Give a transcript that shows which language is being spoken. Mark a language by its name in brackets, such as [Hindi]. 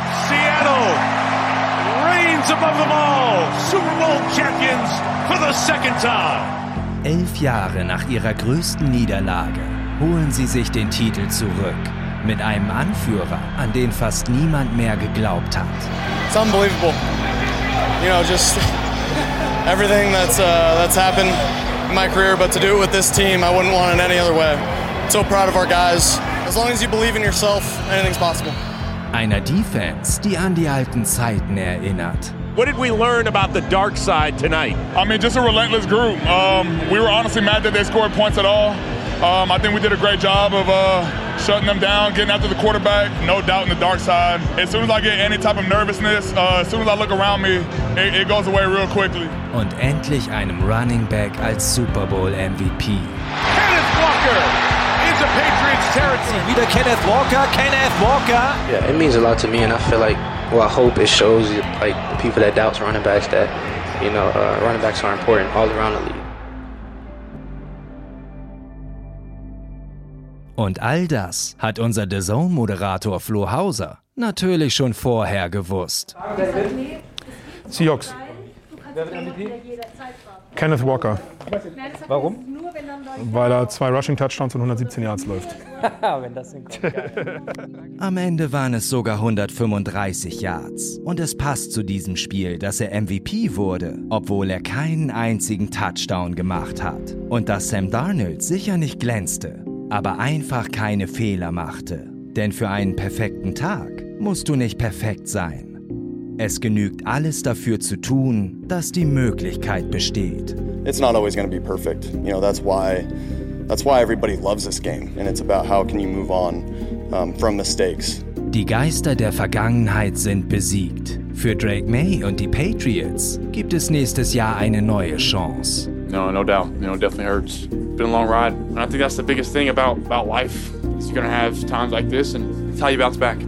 [English] Seattle reigns above them all. Super Bowl Champions for the second time. [German] 11 Jahre nach ihrer größten Niederlage holen sie sich den Titel zurück. Mit einem Anführer, an den fast niemand mehr geglaubt hat. [English] It's unbelievable. You know, just everything that's happened in my career, but to do it with this team, I wouldn't want it any other way. So proud of our guys. As long as you believe in yourself, anything's possible. [German] Einer Defense, die an die alten Zeiten erinnert. [English] What did we learn about the dark side tonight? I mean, just a relentless group. We were honestly mad that they scored points at all. I think we did a great job of shutting them down, getting after the quarterback, no doubt in the dark side. As soon as I get any type of nervousness, as soon as I look around me, it goes away real quickly. [German] Und endlich einem Running Back als Super Bowl MVP. [English] Kenneth Walker into Patriots territory. [German] Wieder Kenneth Walker, Kenneth Walker. [English] Yeah, it means a lot to me, and I feel like, well, I hope it shows like the people that doubt running backs that, you know, running backs are important all around the league. [German] Und all das hat unser DAZN-Moderator Flo Hauser natürlich schon vorher gewusst. Seahawks. Kenneth Walker. Warum? Weil er zwei Rushing Touchdowns und 117 Yards läuft. Wenn das hinkommt. Am Ende waren es sogar 135 Yards. Und es passt zu diesem Spiel, dass er MVP wurde, obwohl er keinen einzigen Touchdown gemacht hat. Und dass Sam Darnold sicher nicht glänzte. Aber einfach keine Fehler machte. Denn für einen perfekten Tag musst du nicht perfekt sein. Es genügt, alles dafür zu tun, dass die Möglichkeit besteht. [English] It's not always going to be perfect. You know, that's why everybody loves this game. And it's about how can you move on from mistakes. [German] Die Geister der Vergangenheit sind besiegt. Für Drake May und die Patriots gibt es nächstes Jahr eine neue Chance. [English] No doubt. You know, it definitely hurts. Been a long ride. And I think that's the biggest thing about life. Is you're gonna have times like this and it's how you bounce back.